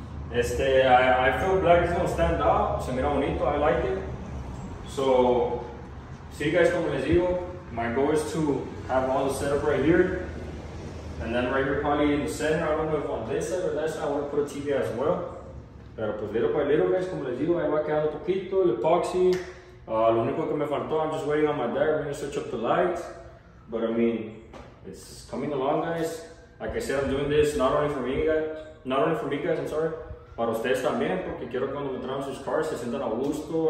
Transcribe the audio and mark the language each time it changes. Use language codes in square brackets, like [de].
[en] I feel black is gonna stand out. [es] Se mira bonito. [en] I like it. So see you guys, [es] como les digo. [en] My goal is to have all the setup right here. And then right here, probably in the center, I don't know if on this side or that side, I want to put a TV as well. [es] Pero pues [en] little by little, [es] guys, como les digo, ahí va quedando un poquito, el epoxy. Lo único que me faltó, [en] I'm just waiting on my dad, we're going to switch up the lights. But I mean, it's coming along, guys. Like I said, I'm doing this not only for me, guys, I'm sorry. [es] Para ustedes también, porque quiero que cuando entramos sus cars, se sientan a gusto.